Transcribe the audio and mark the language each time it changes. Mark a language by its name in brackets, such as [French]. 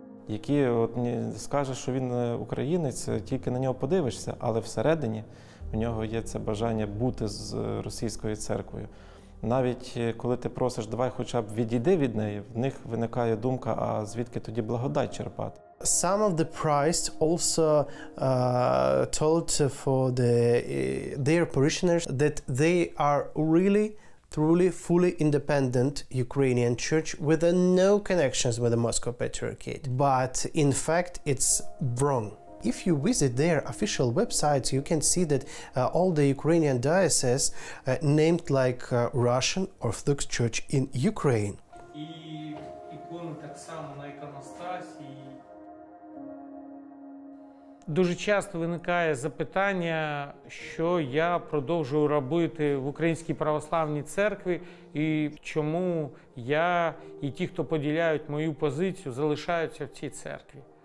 [Ukrainian] Які от скаже, що він українець, тільки на нього подивишся, але всередині в нього є це бажання бути з російською церквою. Навіть коли ти просиш, давай хоча б відійди від неї, в них виникає думка, а звідки тоді благодать черпати? [English] Some of the priests also told for the their parishioners that they are really, truly, fully independent Ukrainian church with no connections with the Moscow Patriarchate. But in fact, it's wrong. If you visit their official website, you can see that all the Ukrainian dioceses named like Russian Orthodox Church in Ukraine. [Ukrainian] І ікони так само на іконостасі. Дуже часто виникає запитання, що я продовжую робити в Українській православній церкві і чому я і ті, хто поділяють мою позицію, залишаються в цій церкві.